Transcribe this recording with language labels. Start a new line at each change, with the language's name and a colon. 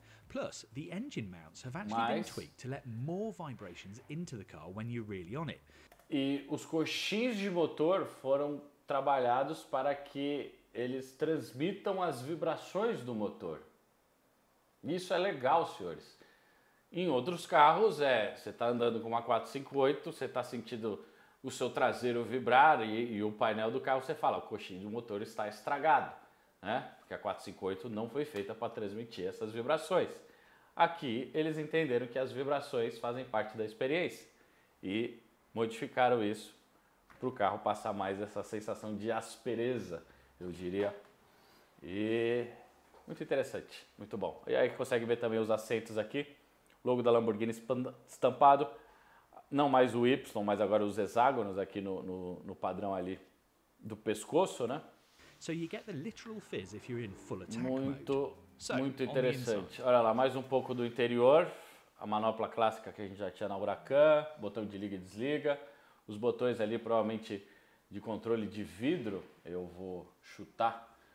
English: Plus, the engine mounts have actually been tweaked to let more vibrations into the car when you're really on it.
Portuguese: E os coxins de motor foram trabalhados para que eles transmitam as vibrações do motor. Isso é legal, senhores. Em outros carros, você está andando com uma 458, você está sentindo o seu traseiro vibrar e o painel do carro, você fala, o coxinho do motor está estragado, né? Porque a 458 não foi feita para transmitir essas vibrações. Aqui, eles entenderam que as vibrações fazem parte da experiência e modificaram isso para o carro passar mais essa sensação de aspereza, eu diria. E muito interessante, muito bom. E aí consegue ver também os assentos aqui. Logo da Lamborghini estampado, não mais o Y, mas agora os hexágonos aqui no padrão ali do pescoço, né?
English: So you get the literal fizz if you're in full attack
Portuguese: muito,
English: mode.
Portuguese: Muito interessante. Olha lá, mais um pouco do interior, a manopla clássica que a gente já tinha na Huracan, botão de liga e desliga, os botões ali provavelmente de controle de vidro, eu vou chutar.